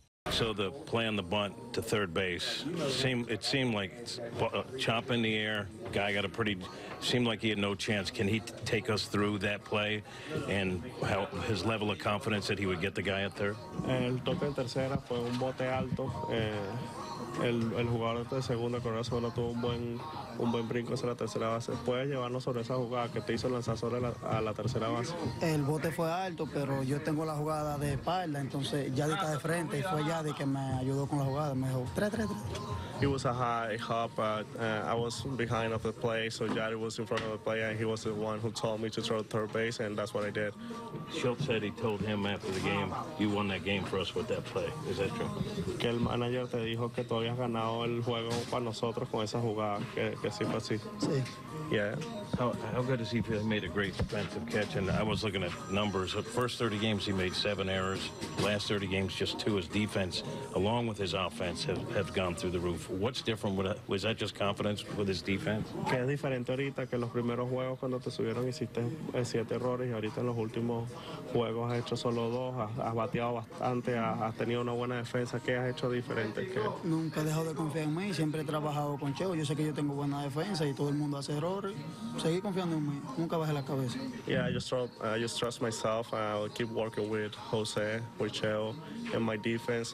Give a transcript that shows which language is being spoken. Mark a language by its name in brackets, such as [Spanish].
[English] So the play on the bunt to third base, it seemed like chop in the air, guy got a pretty, seemed like he had no chance. Can he take us through that play and how his level of confidence that he would get the guy at third? [Spanish] El toque en tercera fue un bote alto. El jugador de segunda con eso no tuvo un buen brinco hacia la tercera base. Puede llevarnos sobre esa jugada que te hizo lanzar sobre a la tercera base. El bote fue alto, pero yo tengo la jugada de espalda, entonces Yadi está de frente y fue Yadi que me ayudó con la jugada. Me dijo, 3-3-3. [English] He was a high hop, I was behind of the play, so Yadi was in front of the play, and he was the one who told me to throw third base, and that's what I did. Schultz said he told him after the game, you won that game for us with that play. Is that true? [Spanish] Que el manager te dijo que tú habías ganado el juego para nosotros con esa jugada, que sí fue así. Sí. [English] Yeah. How good is he? He made a great defensive catch, and I was looking at numbers. The first 30 games, he made 7 errors. Last 30 games, just 2. His defense, along with his offense, have gone through the roof. What's different? Was that just confidence with his defense? [Spanish] Que es diferente ahorita que los primeros juegos cuando te subieron hiciste 7 errores, y ahorita en los últimos juegos has hecho solo 2. Has bateado bastante, has tenido una buena defensa. ¿Qué has hecho diferente? Nunca he dejado de confiar en mí. Siempre he trabajado con Cheo. Yo sé que yo tengo buena defensa y todo el mundo hace errores. Seguí confiando en mí. Nunca bajé la cabeza. [English] Yeah, I just trust myself. I'll keep working with Jose, with Cheo, and my defense.